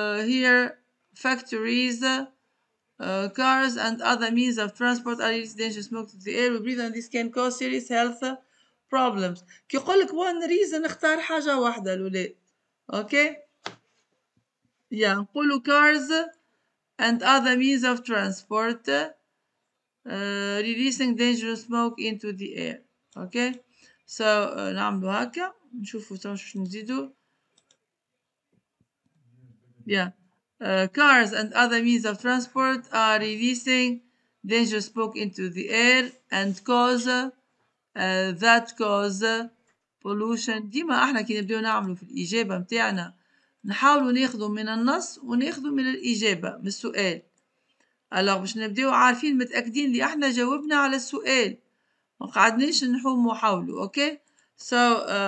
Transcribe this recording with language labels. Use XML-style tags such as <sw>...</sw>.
<en>Here, factories, cars, and other means of transport are dangerous smoke to the air. We breathe, and this can cause serious health problems.</en> <ar>كي يقول لك</ar> <en>one reason</en> <ar>اختار حاجة واحدة الأولاد.</ar> <en>Okay? Yeah,</en> <ar>نقولوا</ar> <en>cars and other means of transport. Releasing dangerous smoke into the air. Okay, so</en> <ar>نعملو هكا نشوفو شنو نزيدو.</ar> <en>Yeah, cars and other means of transport are releasing dangerous smoke into the air and cause that cause pollution.</en> <ar>ديما احنا كي نبداو نعملو في الإجابة متاعنا نحاولو ناخذو من النص وناخذو من الإجابة من السؤال. الوغ باش نبداو عارفين متاكدين اللي احنا جاوبنا على السؤال ما قعدناش نحوم وحاولوا اوكي سو</ar>